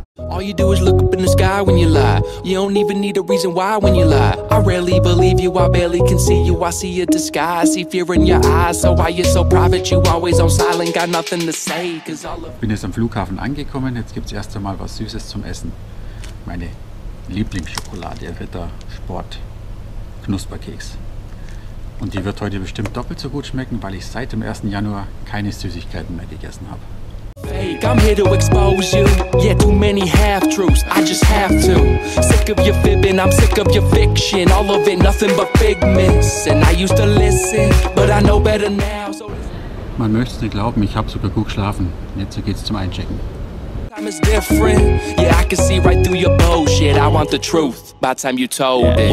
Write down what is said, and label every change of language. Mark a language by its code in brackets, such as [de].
[en] All you do is look up in the sky when you lie. You don't even need a reason why when you lie. I rarely believe you, I barely can see you. I see a disguise, see fear in your eyes. So why you so private, you always on silent, got nothing to say. [de] Bin jetzt am Flughafen angekommen, jetzt gibt's erst einmal was Süßes zum Essen. Meine Lieblingsschokolade, Ritter Sport Knusperkeks. Und die wird heute bestimmt doppelt so gut schmecken, weil ich seit dem 1. Januar keine Süßigkeiten mehr gegessen habe. [en] I'm here to expose you. Yeah, too many half-truths, I just have to. Sick of your fibbing, I'm sick of your fiction. All of it, nothing but figments. And I used to listen, but I know better now. [de] Man möchte es nicht glauben, ich habe sogar gut geschlafen. Jetzt geht's zum Einchecken. [en] Time is different. Yeah, I can see right through your bullshit. I want the truth by the time you told it.